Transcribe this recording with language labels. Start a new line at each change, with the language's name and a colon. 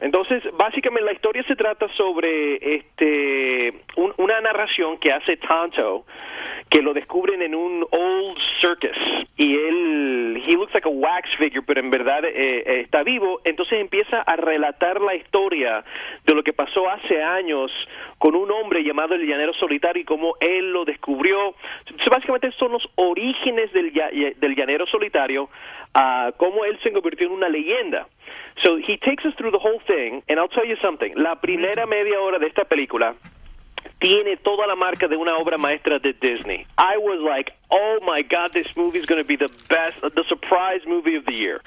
Spanish: Entonces, básicamente, la historia se trata sobre una narración que hace Tonto, que lo descubren en un
English: old circus,
Spanish: y él,
English: he looks like a wax figure,
Spanish: pero en verdad está vivo. Entonces empieza a relatar la historia de lo que pasó hace años con un hombre llamado el Llanero Solitario y cómo él lo descubrió. Entonces, básicamente, son los orígenes del Llanero Solitario, cómo él se convirtió en una leyenda.
English: So he takes us through the whole thing, and I'll tell you something.
Spanish: La primera media hora de esta película tiene toda la marca de una obra maestra de Disney.
English: I was like, oh my God, this movie is going to be the best, the surprise movie of the year.